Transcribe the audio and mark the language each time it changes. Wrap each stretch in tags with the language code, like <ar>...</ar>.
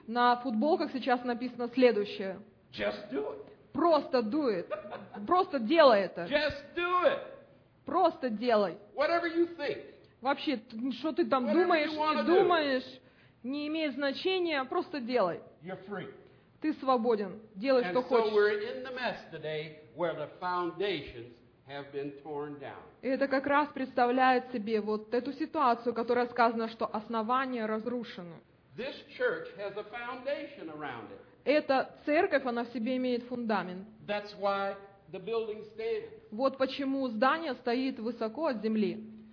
<ru>на футболках сейчас написано следующее.</ru> <en>Just do it.</en> <ru>Просто</ru> <en>do it.</en> <ru>Просто делай это.</ru> <en>Just do it.</en> <ru>Просто делай.</ru> <en>Whatever you think.</en> <ru>Вообще, что ты там думаешь, ты думаешь, не имеет значения, просто делай.</ru> <en>You're free.</en> <ru>Ты свободен. Делай,</ru> <en>and</en> <ru>что</ru> <en>so</en> <ru>хочешь.</ru> <en>We're in the mess today where the foundations have been torn down.</en> <ru>Это как раз представляет себе вот эту ситуацию, которая сказана, что основания разрушены.</ru> <en>This church has a foundation around it.</en> <ru>Эта церковь, она в себе имеет фундамент.</ru> <en>That's why the building stands.</en> <ru>Вот почему здание стоит высоко от земли.</ru>